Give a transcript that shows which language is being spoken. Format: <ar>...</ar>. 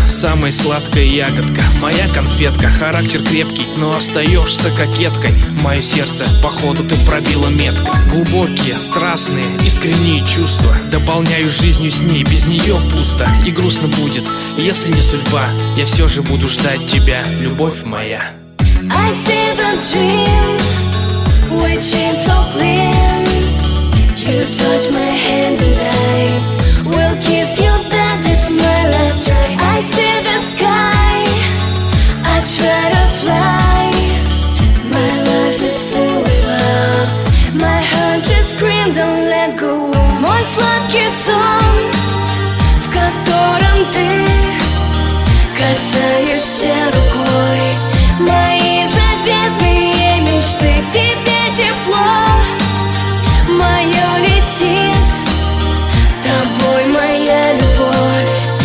<ru>Самая сладкая ягодка, моя конфетка. Характер крепкий, но остаешься кокеткой. Мое сердце, походу, ты пробила метка. Глубокие, страстные, искренние чувства. Дополняю жизнью с ней, без нее пусто. И грустно будет, если не судьба. Я все же буду ждать тебя, любовь моя.</ru> <en>I see the dream, which is so clear. You touch my hand and I will kiss you, that is my last try. I see the sky, I try to fly. My life is full of love, my heart is green, don't let go.</en> <ru>Мой сладкий сон, в котором ты касаешься рукой мои заветные мечты. Тебе тепло, мое летит тобой, моя любовь.</ru>